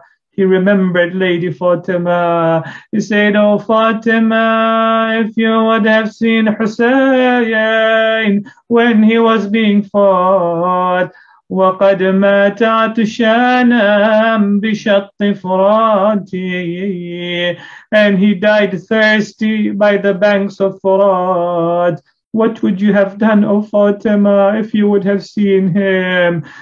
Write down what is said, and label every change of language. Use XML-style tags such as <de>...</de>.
<en>He remembered Lady Fatima. He said, oh Fatima, if you would have seen Hussein when he was being fought.</en> <ar>وقد مات عطشانا بشط فراتي.</ar> <en>And he died thirsty by the banks of Furat. What would you have done, O Fatima, if you would have seen him?</en>